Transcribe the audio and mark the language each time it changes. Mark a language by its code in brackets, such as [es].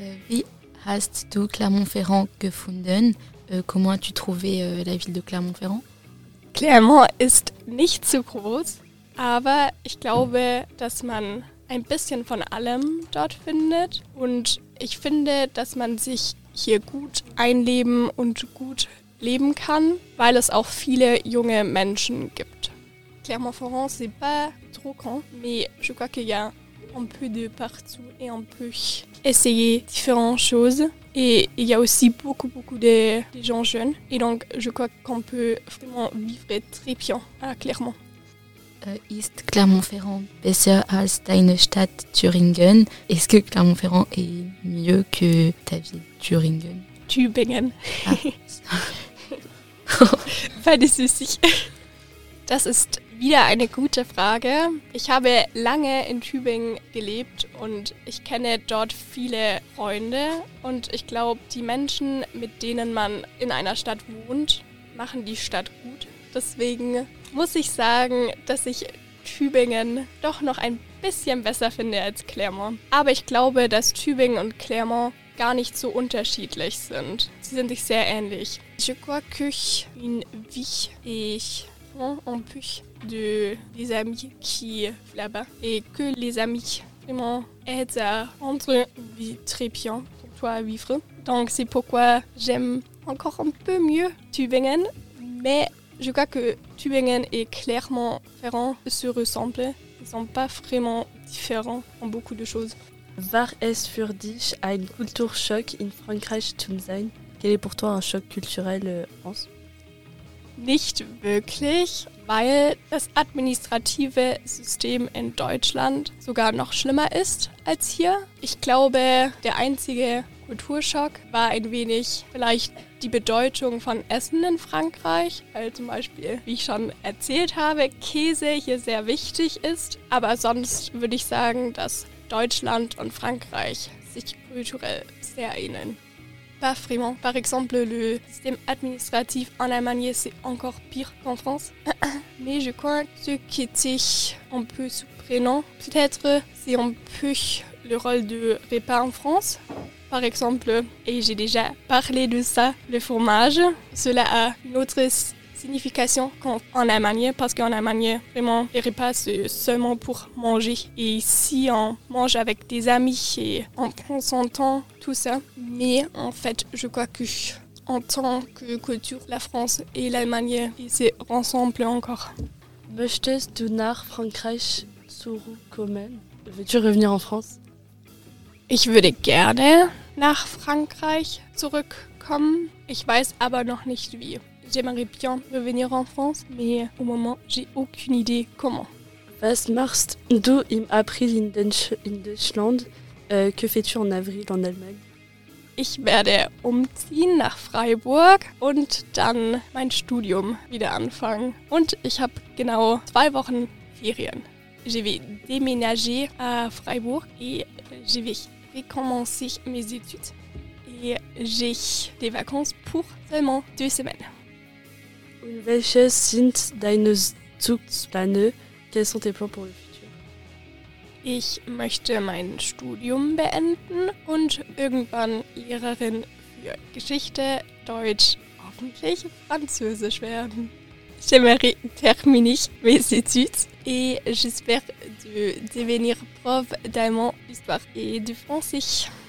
[de] Wie hast du Clermont-Ferrand gefunden? [fr] Comment as-tu trouvé la ville de Clermont-Ferrand? [de] Clermont ist nicht so groß, aber ich glaube, dass man ein bisschen von allem dort findet. Und ich finde, dass man sich hier gut einleben und gut leben kann, weil es auch viele junge Menschen gibt. [fr] Clermont-Ferrand, c'est pas trop grand, mais je crois qu'il y a un peu de partout et on peut essayer différentes choses. Et il y a aussi beaucoup, beaucoup de gens jeunes. Et donc, je crois qu'on peut vraiment vivre très bien à Clermont. [de] Ist Clermont-Ferrand besser als deine Stadt Thüringen? [fr] Est-ce que Clermont-Ferrand est mieux que ta ville Thüringen? Tübingen. Ah. Pas de soucis. [de] Das ist wieder eine gute Frage. Ich habe lange in Tübingen gelebt und ich kenne dort viele Freunde. Und ich glaube, die Menschen, mit denen man in einer Stadt wohnt, machen die Stadt gut. Deswegen muss ich sagen, dass ich Tübingen doch noch ein bisschen besser finde als Clermont. Aber ich glaube, dass Tübingen und Clermont gar nicht so unterschiedlich sind. Sie sind sich sehr ähnlich. [fr] Je crois que une vie et uniquement en plus de les amis qui là-bas et que les amis vraiment aident à rendre une vie très bien pour toi à vivre. Donc c'est pourquoi j'aime encore un peu mieux Tübingen, mais je crois que Tübingen est clairement différent, se ressemblent, ils sont pas vraiment différents en beaucoup de choses. [de] Was ist für dich ein Kulturschock in Frankreich zu sein? [fr] Quel est pour toi un choc culturel en France? [de] Nicht wirklich, weil das administrative System in Deutschland sogar noch schlimmer ist als hier. Ich glaube, der einzige Kulturschock war ein wenig vielleicht die Bedeutung von Essen in Frankreich, weil zum Beispiel, wie ich schon erzählt habe, Käse hier sehr wichtig ist. Aber sonst würde ich sagen, dass Deutschland und Frankreich sich kulturell sehr ähneln. [fr] Pas vraiment. Par exemple, le système administratif en Allemagne, c'est encore pire qu'en France. Mais je crois que ce qui était un peu surprenant, peut-être, c'est un peu le rôle de repas en France. Par exemple, et j'ai déjà parlé de ça, le fromage. Cela a une autre signification qu'en Allemagne, parce qu'en Allemagne, vraiment, les repas, c'est seulement pour manger. Et ici, on mange avec des amis et on prend son temps, tout ça. Mais en fait, je crois que en tant que culture, la France et l'Allemagne, ils se ressemblent encore. [de] Möchtest du nach Frankreich zurückkommen? [fr] Veux-tu revenir en France? [de] Ich würde gerne nach Frankreich zurückkommen. Ich weiß aber noch nicht wie. [fr] J'aimerais bien revenir en France, mais au moment, j'ai aucune idée comment. [de] Was machst du im April in Deutschland? [fr] Que fais-tu en avril en Allemagne? [de] Ich werde umziehen nach Freiburg und dann mein Studium wieder anfangen. Und ich habe genau 2 Wochen Ferien. [fr] Je vais déménager à Freiburg et je vais recommencer mes études. Et j'ai des vacances pour seulement 2 semaines. [de] Und welche sind deine Zukunftspläne? [fr] Quels sont tes plans pour le futur? [de] Ich möchte mein Studium beenden und irgendwann Lehrerin für Geschichte, Deutsch, hoffentlich Französisch werden. [fr] J'aimerais terminer mes études et j'espère de devenir prof d'allemand, d'histoire et de français.